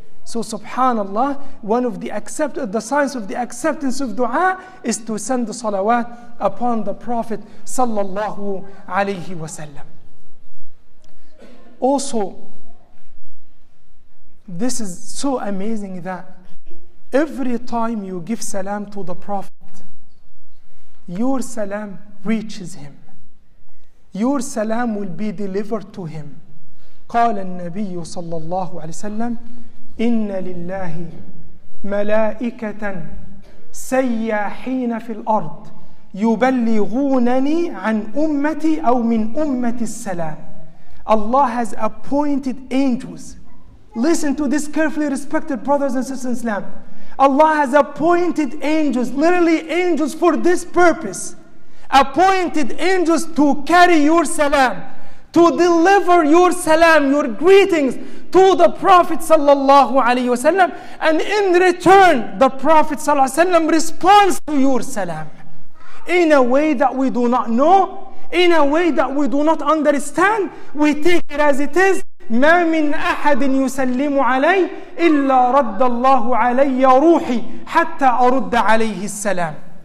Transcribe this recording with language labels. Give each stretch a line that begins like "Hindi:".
English: So subhanAllah, one of the signs of the acceptance of dua is to send the salawat upon the Prophet sallallahu alayhi wa sallam. Also, this is so amazing that every time you give salam to the Prophet, your salam reaches him. Your salam will be delivered to him.
Arabic: قال النبي صلى الله عليه وسلم إن لله ملائكة سياحين في الأرض يبلغونني عن أمتي أو من أمتي السلام.
English: Allah has appointed angels. Listen to this carefully, respected brothers and sisters in Islam. Allah has appointed angels, literally angels for this purpose. Appointed angels to carry your salam, to deliver your salam, your greetings to the Prophet sallallahu alayhi wasallam. And in return, the Prophet sallallahu alayhi wasallam responds to your salam in a way that we do not know, in a way that we do not understand. We take it as it is.
Arabic: ما من أحد يسلم علي إلا رد الله علي روحي حتى أرد عليه السلام.